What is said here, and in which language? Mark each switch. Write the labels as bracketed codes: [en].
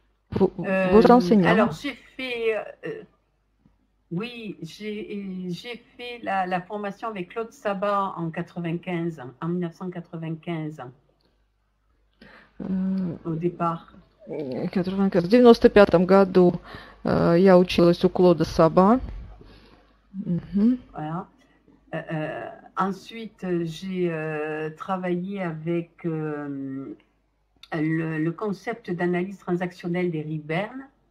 [fr] Vos Alors enseignants. j'ai fait, oui, j'ai fait la formation avec Claude Sabat en 95, en 1995, au départ. [ru] 95, в 95-м году я училась у Клода Саба. [fr] Voilà. Ensuite, j'ai travaillé avec. Le concept d'analyse transactionnelle d'Éric Berne.